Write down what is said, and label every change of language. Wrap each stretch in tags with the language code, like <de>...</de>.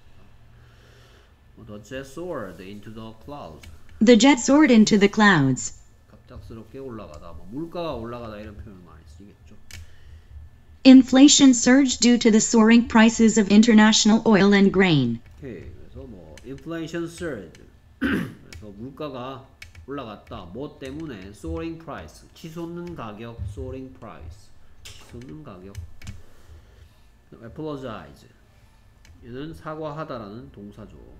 <ko>예.</ko> <en>The jet soared into the clouds. The jet soared into the clouds.</en> <ko>갑작스럽게 올라가다, 뭐 물가가 올라가다 이런 표현을 많이 쓰겠죠.</ko> <en>Inflation surged due to the soaring prices of international oil and grain.</en> <ko>예.</ko> <en>Inflation surge.</en> <ko>그래서 물가가 올라갔다. 뭐 때문에?</ko> <en>Soaring price.</en> <ko>치솟는 가격. Soaring price. 치솟는 가격. Apologize. 얘는 사과하다라는 동사죠.</ko>